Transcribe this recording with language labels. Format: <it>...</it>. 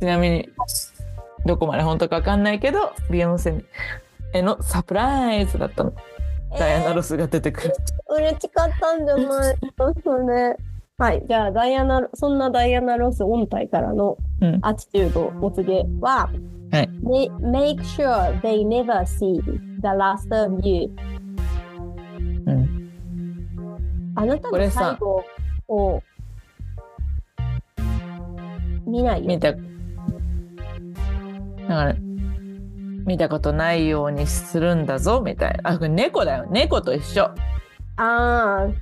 <ja>ちなみに、どこまで本当か分かんないけど、ビヨンセへのサプライズだったの。ダイアナ・ロスが出てくる。嬉しかったんじゃないですかね。はい、じゃあ、ダイアナ、そんなダイアナ・ロス本体からのアチチュードをお告げは、はい、</ja> <en>Make sure they never see the last of you.</en> <ja>あなたの最後を見ないよ。だから見たことないようにするんだぞみたいな。あ、これ猫だよ。猫と一緒。ああ、</ja>